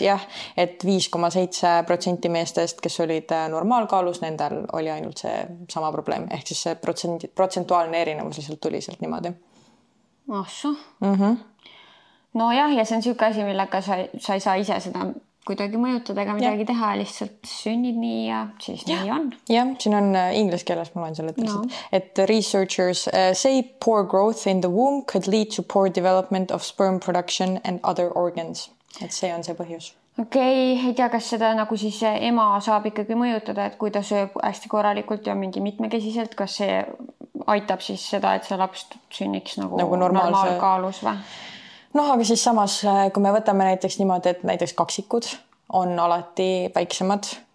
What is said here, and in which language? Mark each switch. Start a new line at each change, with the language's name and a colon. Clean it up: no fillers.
Estonian: jah, et 5,7% meestest, kes olid normaalkaalus, nendel oli ainult see sama probleem, ehk siis see protsentuaalne erinevus lihtsalt tuli sealt niimoodi. Asu. Mm-hmm. No jah, ja see on siuke asi, millega sa ei saa ise seda kuidagi mõjutada, aga midagi ja. Teha, lihtsalt sünnid nii ja siis ja. Nii on. Jah, siin on ingliskeeles, ma loen selle ütlesid, no.
English: et researchers say poor growth in the womb could lead to poor development of sperm production and other organs.
Estonian: Et see on see põhjus. Okei, ei tea, kas seda nagu siis ema saab ikkagi mõjutada, et kui ta sööb hästi korralikult ja mingi mitmekesiselt, kas see aitab siis seda, et see laps sünniks nagu normaalse... normaalkaalus või? No, aga siis samas, kui me võtame näiteks niimoodi, et näiteks kaksikud on alati väiksemad.